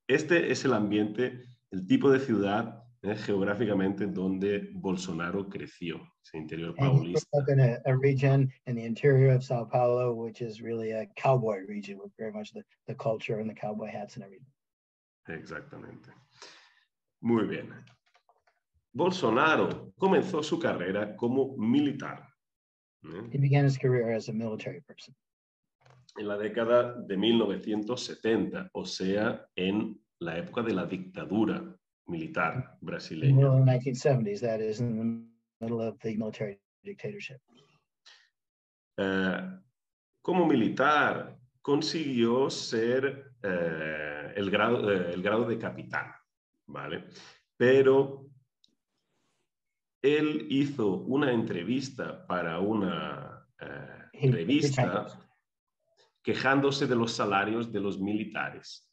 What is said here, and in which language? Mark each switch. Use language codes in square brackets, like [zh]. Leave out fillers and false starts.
[es] Este es el ambiente, el tipo de ciudad geográficamente donde Bolsonaro creció, ese interior paulista. [en] In a region in the interior of Sao Paulo, which is really a cowboy region, with very much the culture and the cowboy hats and everything. [es] Exactamente. Muy bien. Bolsonaro comenzó su carrera como militar. [en] He began his career as a military person. [es] En la década de 1970, o sea, en la época de la dictadura militar brasileña. [en] In the 1970s, that is, in the middle of the military dictatorship. [es] Como militar, consiguió ser el grado de capitán, ¿vale? Pero él hizo una entrevista para una revista quejándose de los salarios de los militares.